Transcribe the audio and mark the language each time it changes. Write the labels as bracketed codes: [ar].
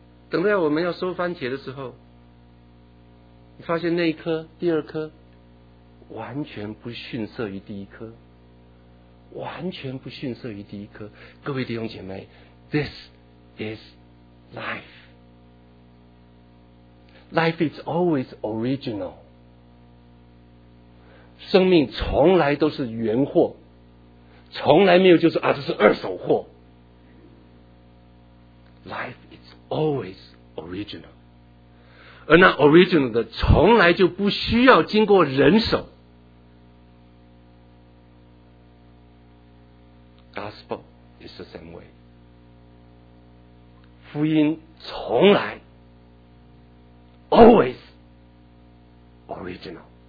[zh] 等到我们要收番茄的时候，你发现那一颗第二颗完全不逊色于第一颗，完全不逊色于第一颗。各位弟兄姐妹， [en] This is life. Life is always original. [zh] 生命从来都是原货，从来没有就是啊这是二手货。 [en] life is always original. [zh] 而那 original 的从来就不需要经过人手。 [en] Gospel is the same way. [zh] 福音从来 [en] always original.